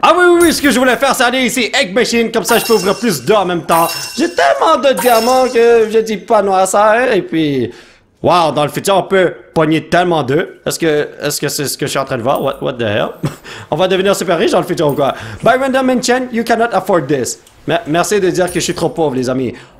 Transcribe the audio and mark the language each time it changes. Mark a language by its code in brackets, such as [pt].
[fr] Ah oui, ce que je voulais faire, c'est aller ici, egg machine. Comme ça, je peux ouvrir plus d'or en même temps. J'ai tellement de diamants que je dis pas non à ça, hein. Et puis, Wow, dans le futur, on peut pogner tellement d'eux. Est-ce que c'est ce que je suis en train de voir? [en] What the hell? [fr] On va devenir super riche dans le futur ou quoi? [en] By random and chance, you cannot afford this. [fr] Merci de dire que je suis trop pauvre, les amis.